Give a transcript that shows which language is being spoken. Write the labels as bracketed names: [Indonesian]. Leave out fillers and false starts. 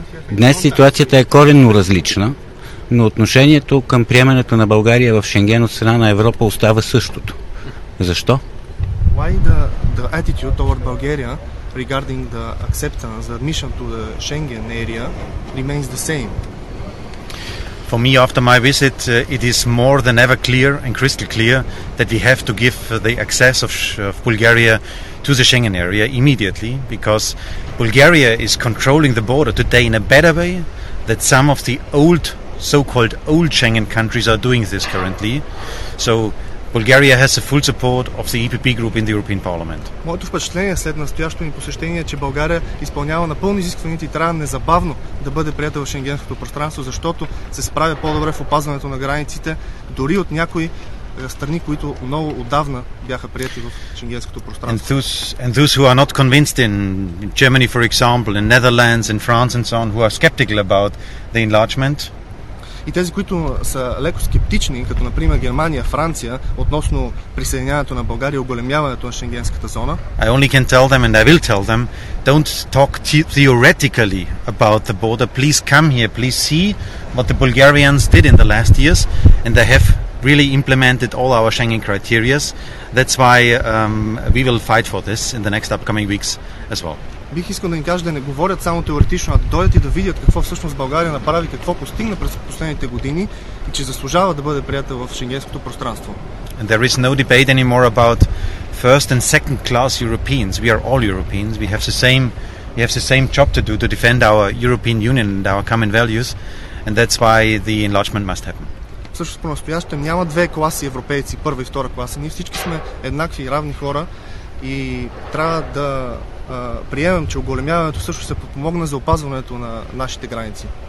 [Bulgarian] Днес ситуацията е коренно различна, но отношението към приемането на България в Шенген от страна на Европа остава същото. Защо? [English] Why the attitude toward Bulgaria regarding the acceptance, the admission to the Schengen area remains the same? For me, after my visit, it is more than ever clear and crystal clear that we have to give the access of Bulgaria to the Schengen area immediately, because Bulgaria is controlling the border today in a better way than some of the old, so-called old Schengen countries are doing this currently. So Bulgaria has the full support of the EPP group in the European Parliament. [Bulgarian] Моето впечатление след настоящото ни посещение е, че България изпълнява напълно изискванията и трябва незабавно да бъде приета в Шенгенското пространство, защото се справя по-добре в опазването на границите, дори от някои страни, които много отдавна бяха приети в Шенгенското пространство. [English] And those who are not convinced in Germany, for example, in Netherlands, in France and so on, who are skeptical about the enlargement. [Bulgarian] И тези, които са леко скептични, като например Германия, Франция, относно присъединяването на България, оголемяването на Шенгенската зона. [English] I only can tell them and I will tell them, don't talk theoretically about the border. Please come here, please see what the Bulgarians did in the last years and they have really implemented all our Schengen criteria. That's why we will fight for this in the next upcoming weeks as well. [Bulgarian] Бих искал да им кажа да не говорят само теоретично, а да дойдат и да видят какво всъщност България направи, какво постигна през последните години и че заслужава да бъде приятел в Шенгенското пространство. [English] And there is no debate anymore about first and second class Europeans. We are all Europeans. We have the same job to do to defend our European Union and our common values, and that's why the enlargement must happen. [Bulgarian] Всъщност по-настоящем няма две класи европейци, първа и втора класа. Ние всички сме еднакви и равни хора и трябва да приемам, че оголемяването също се подпомогна за опазването на нашите граници.